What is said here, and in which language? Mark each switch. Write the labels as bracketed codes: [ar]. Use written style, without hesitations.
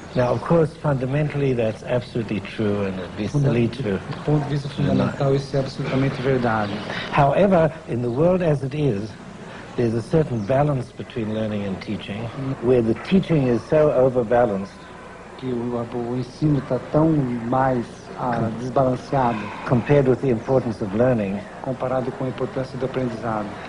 [en] Now, of course, fundamentally, that's absolutely true, and it'd be silly to... [pt] Do ponto de vista fundamental, isso é absolutamente verdade. [en] However, in the world as it is, there's a certain balance between learning and teaching, where the teaching is so overbalanced, [pt] o ensino está tão mais desbalanceado [en] compared with the importance of learning, [pt] comparado com a importância do aprendizado,